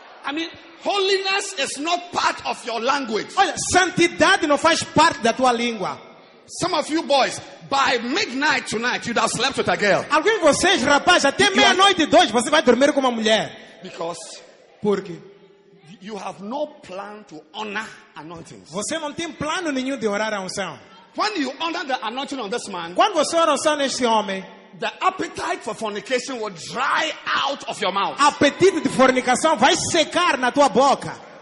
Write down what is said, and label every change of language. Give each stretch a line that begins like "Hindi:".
English: I mean, holiness is not part of your language.
Portuguese: Olha, santidade não faz parte da tua língua.
English: Some of you boys, by midnight tonight, you'd have slept with a girl.
Portuguese: Alguns de vocês, rapaz, até meia-noite e 2, você vai dormir com uma mulher. Porque
English: you have no plan to honor anointings.
Portuguese: Você não tem plano nenhum de orar a unção.
English: When you honor the anointing on this man,
Portuguese: quando você ora a unção neste homem,
English: the appetite for fornication will dry out of your mouth.
Portuguese: Apetite de fornicação vai secar na tua boca.